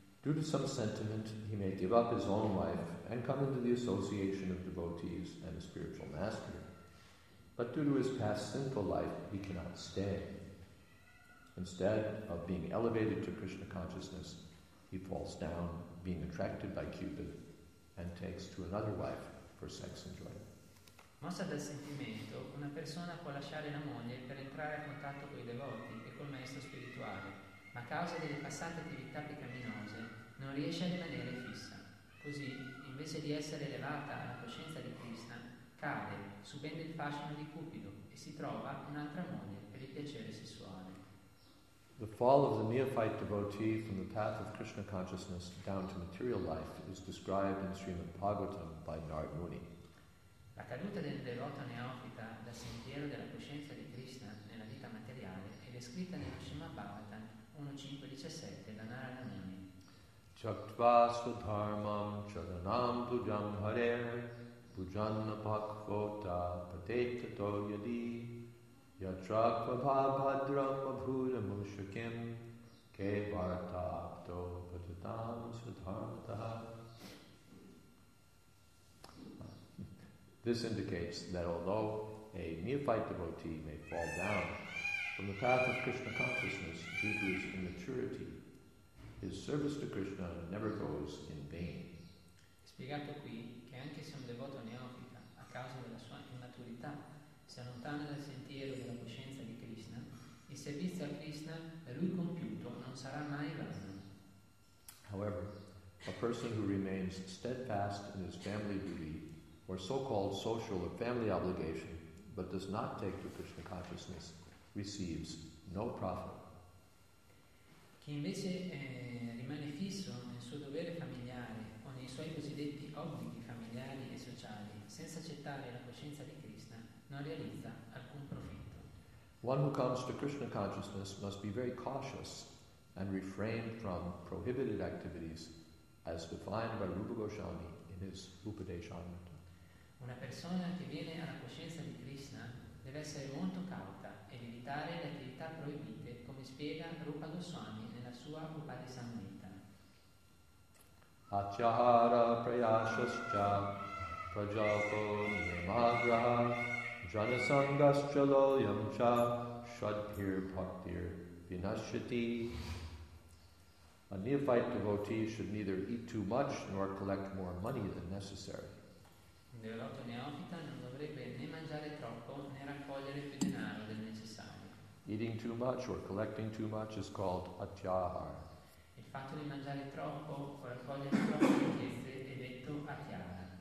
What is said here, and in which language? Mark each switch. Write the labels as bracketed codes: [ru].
[en] Due to some sentiment, he may give up his own wife and come into the association of devotees and a spiritual master. But due to his past sinful life, he cannot stay. Instead of being elevated to Krishna consciousness, he falls down, being attracted by Cupid, and takes to another wife for sex enjoyment. [it] Mossa dal sentimento, una persona può lasciare la moglie per entrare a contatto con i devoti e col maestro spirituale, ma a causa delle passate attività peccaminose non riesce a rimanere fissa. Così, invece di essere elevata alla coscienza di Krishna, cade, subendo il fascino di Cupido, e si trova un'altra moglie per il piacere sessuale. [en] The fall of the neophyte devotee from the path of Krishna consciousness down to material life is described in Srimad Bhagavatam by Narad Muni. [it] La caduta del devoto neofita dal sentiero della coscienza di Krishna nella vita materiale è descritta nello Srimad Bhagavatam 1.5.17 da Narada Muni. [sa] Chaktva svadharmam charanam tujam harer Bujana Pakvota Pateta Toyadi Yatrakva Pabhadrama Bhuda Mushakim Ke Bharta Apto Patatam Sudharmataha. [en] This indicates that although a neophyte devotee may fall down from the path of Krishna consciousness due to his immaturity, his service to Krishna never goes in vain. [it] Spiegato qui che anche se un devoto neofita, a causa della sua immaturità, si allontana dal sentiero della coscienza di Krishna, il servizio a Krishna da lui compiuto non sarà mai vano. [en] However, a person who remains steadfast in his family duty or so-called social or family obligation, but does not take to Krishna consciousness, receives no profit. [it] Chi invece rimane fisso nel suo dovere familiare o nei suoi cosiddetti obblighi familiari e sociali, senza accettare la coscienza di Krishna, non realizza alcun profitto. [en] One who comes to Krishna consciousness must be very cautious and refrain from prohibited activities as defined by Rupa Goswami in his Upadeshamrita. [it] Una persona che viene alla coscienza di Krishna deve essere molto cauta ed evitare le attività proibite, come spiega Rupa Goswami nella sua Upadeshamrita. [sa] Achyahara prayashascha prajalko niyamagraha janasangascha loyamcha shadhir bhaktir vinashyati. [en] A neophyte devotee should neither eat too much nor collect more money than necessary. [it] Il devoto neofita non dovrebbe né mangiare troppo né raccogliere più denaro del necessario. [en] Eating too much or collecting too much is called atyahara. [it] Il fatto di mangiare troppo o raccogliere troppe ricchezze è detto atyahara.